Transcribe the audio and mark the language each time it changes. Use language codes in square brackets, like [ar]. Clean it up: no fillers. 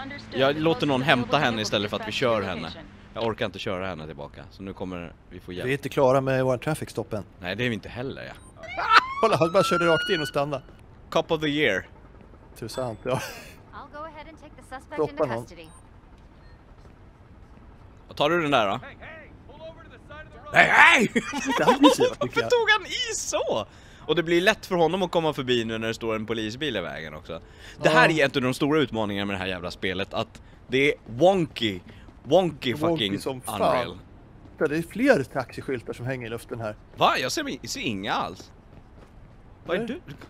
[sv] Jag låter någon hämta henne istället för att vi kör henne. Jag orkar inte köra henne tillbaka, så nu kommer vi få hjälp. Vi är inte klara med vår traffic stoppen. Nej, det är vi inte heller, ja. Kolla, han bara körde rakt in och stanna. [en] Cop of the year. [sv] Tusant, ja. [en] I'll go ahead and take the suspect [sv] stoppa [en] into [sv] custody. Vad tar du den där, då? Hey, hey, [en] pull over to the side of the road. [sv] Nej, nej! Varför tog han i så? Och det blir lätt för honom att komma förbi nu när det står en polisbil i vägen också. Det här är inte de stora utmaningarna med det här jävla spelet, att det är wonky. [en] Wonky fucking [sv] wonky som [en] unreal. [sv] Fan. Det är fler taxiskyltar som hänger i luften här. Va? Jag ser inga alls. Vad är du?